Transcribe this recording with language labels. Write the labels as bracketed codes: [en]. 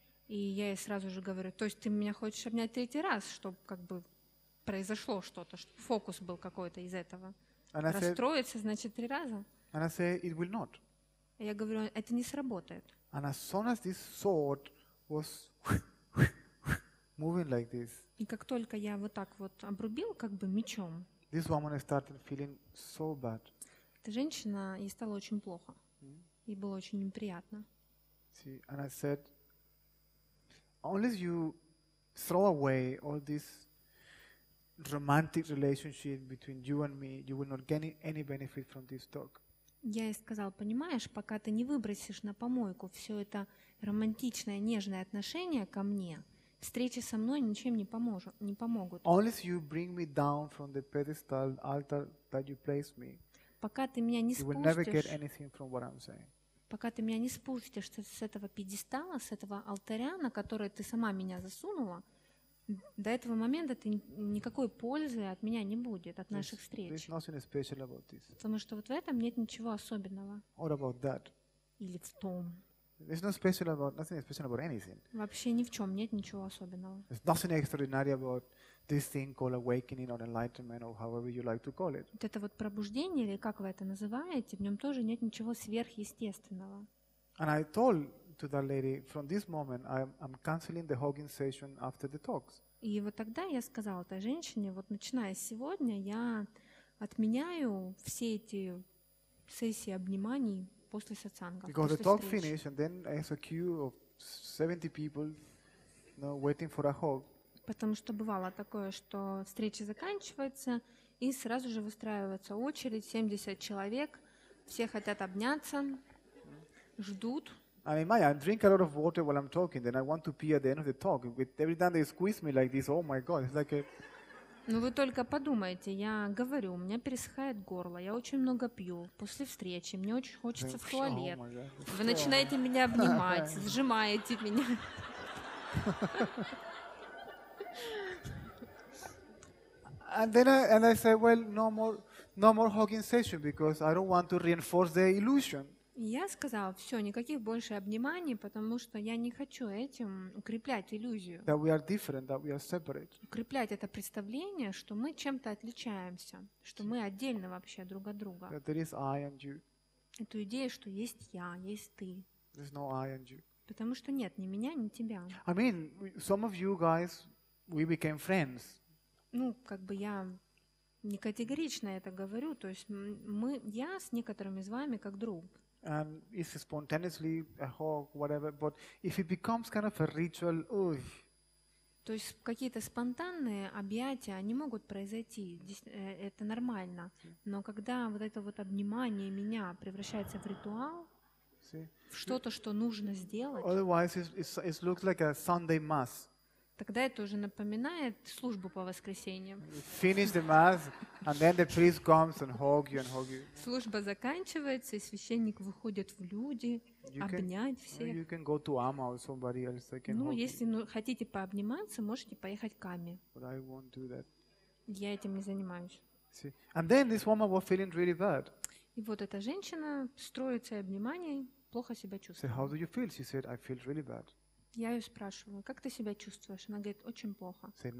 [ru] И я ей сразу же говорю, то есть ты меня хочешь обнять третий раз, чтобы как бы произошло что-то, чтобы фокус был какой-то из этого. Расстроиться, значит, три раза? [en] And I said, it will not. [ru] Я говорю, это не сработает. [en] And as soon as this sword was moving like this. [ru] И как только я вот так вот обрубил как бы мечом. [en] This woman started feeling so bad. [ru] Эта женщина, ей стало очень плохо. Ей было очень неприятно. [en] See, and I said, unless you throw away all this romantic relationship between you and me, you will not get any benefit from this talk. [ru] Я ей сказал, понимаешь, пока ты не выбросишь на помойку все это романтичное, нежное отношение ко мне, встречи со мной ничем не помогут. [en] Unless you bring me down from the pedestal altar that you place me, [ru] пока ты меня не спустишь, [en] you will never get anything from what I'm saying. [ru] Пока ты меня не спустишь с этого пьедестала, с этого алтаря, на который ты сама меня засунула, до этого момента ты никакой пользы от меня не будет, от наших встреч. [en] There's nothing special about this. [ru] Потому что вот в этом нет ничего особенного. [en] Or about that. [ru] Или в том. [en] There's nothing special about anything. [ru] Вообще ни в чем нет ничего особенного. [en] There's nothing extraordinary about this thing called awakening or enlightenment or however you like to call it. [ru] Вот это вот пробуждение или как вы это называете, в нем тоже нет ничего сверхъестественного. [en] And I told to that lady, from this moment I'm canceling the hugging session after the talks. [ru] И вот тогда я сказала этой женщине, вот начиная с сегодня я отменяю все эти сессии обниманий. После сатсанга, [en] because [ru] после [en] the talk [ru] встречи. [en] Finished, and then there's a queue of 70 people, you know, waiting for a hug. [ru] Потому что бывало такое, что встреча заканчивается, и сразу же выстраивается очередь, 70 человек, все хотят обняться, ждут. [en] I mean, Maya, I drink a lot of water while I'm talking, then I want to pee at the end of the talk. Every time they squeeze me like this, oh my God, it's like a... [ru] Ну вы только подумайте, я говорю, у меня пересыхает горло, я очень много пью после встречи, мне очень хочется в туалет. Вы начинаете меня обнимать, сжимаете меня. [en] And then I said, well, no more hugging session, because I don't want to reinforce the illusion. [ru] Я сказала, все, никаких больше обниманий, потому что я не хочу этим укреплять иллюзию. [en] That we are different, that we are separate. [ru] Укреплять это представление, что мы чем-то отличаемся, что мы отдельно вообще друг от друга. [en] That there is I and you. [ru] Эту идею, что есть я, есть ты. [en] There's no I and you. [ru] Потому что нет ни меня, ни тебя. [en] I mean, some of you guys, we became friends. [ru] Ну, как бы я... Не категорично это говорю, то есть я с некоторыми из вами как друг. [en] And it's spontaneously a hug, whatever, but if it becomes kind of a ritual, ugh. [ru] То есть какие-то спонтанные объятия, они могут произойти, это нормально. Но когда вот это вот обнимание меня превращается в ритуал, [en] see? [ru] В что-то, что нужно сделать. [en] Otherwise, it looks like a Sunday mass. [ru] Тогда это уже напоминает службу по воскресеньям. [en] Finish the mass, and then the priest comes and hugs you and hugs you. [ru] Служба заканчивается, и священник выходит в люди, обнять всех. [en] You can go to Amma or somebody else. [ru] Ну, если хотите пообниматься, можете поехать к Амме. [en] But I won't do that. [ru] Я этим не занимаюсь. [en] See? And then this woman was feeling really bad. [ru] И вот эта женщина строится обниманием, плохо себя чувствует. [en] So how do you feel? She said, I feel really bad. [ru] Я ее спрашиваю, как ты себя чувствуешь? Она говорит, очень плохо.